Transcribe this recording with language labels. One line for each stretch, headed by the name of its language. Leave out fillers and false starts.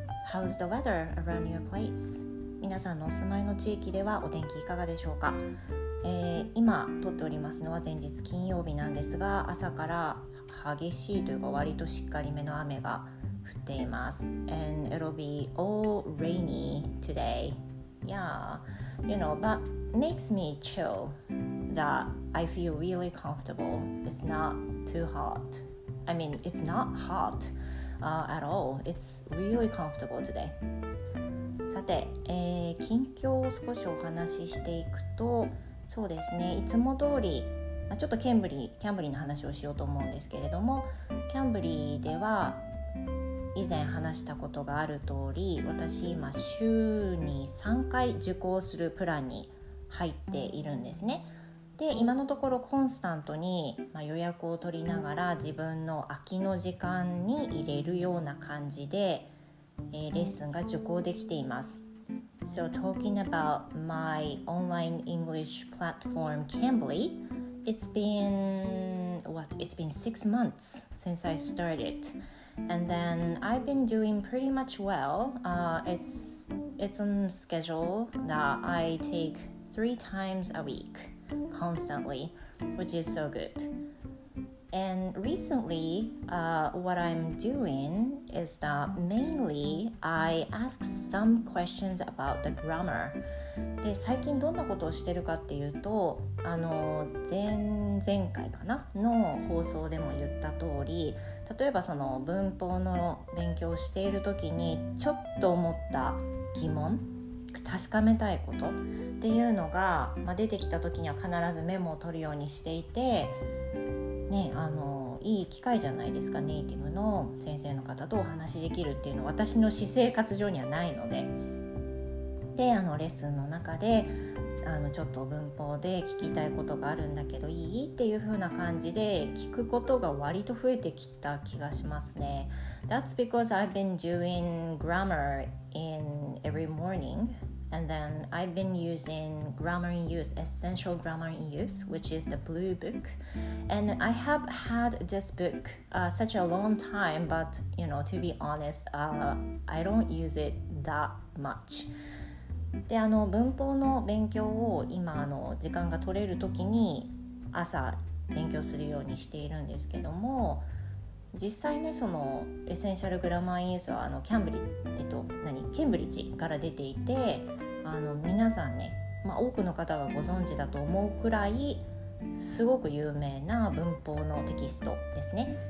English: How's the weather around your place?
Japanese: 皆さんのお住まいの地域ではお天気いかがでしょうか。今撮っておりますのは前日金曜日なんですが、朝から激しいというか割としっかりめの雨が降っています。
English: And it'll be all rainy today. Yeah, you know, but makes me chill that I feel really comfortable. It's not too hot. I mean, it's not hot, at all. It's really comfortable today.
Japanese: さて、近況を少しお話ししていくと、そうですね、いつも通りちょっとキャンブリーの話をしようと思うんですけれども、キャンブリーでは以前話したことがある通り、私今週に3回受講するプランに入っているんですね。で、今のところコンスタントに、予約を取りながら自分の空きの時間に入れるような感じで、レッスンが受講できています。
English: So talking about my online English platform Cambly, it's been 6 months since I started, and then I've been doing pretty much well. It's on schedule that I take 3 times a week constantly, which is so good. And recently, what I'm doing is that mainly I ask some questions about the grammar.
Japanese: で、最近どんなことをしてるかっていうと、前回かなの放送でも言った通り、例えばその文法の勉強をしている時にちょっと思った疑問、確かめたいことっていうのが、出てきた時には必ずメモを取るようにしていて、ね、いい機会じゃないですか、ネイティブの先生の方とお話しできるっていうのは私の私生活上にはないので。で、レッスンの中でちょっと文法で聞きたいことがあるんだけどいい？っていう風な感じで聞くことが割と増えてきた気がしますね。
English: That's because I've been doing grammar in every morning, and then I've been using Grammar in Use, Essential Grammar in Use, which is the blue book. And I have had this book such a long time, but you know, to be honest, I don't use it that much.
Japanese: で、文法の勉強を今時間が取れる時に朝勉強するようにしているんですけども、実際ね、そのエッセンシャルグラマーインスはケンブリッジから出ていて、皆さんね、多くの方がご存知だと思うくらいすごく有名な文法のテキストですね。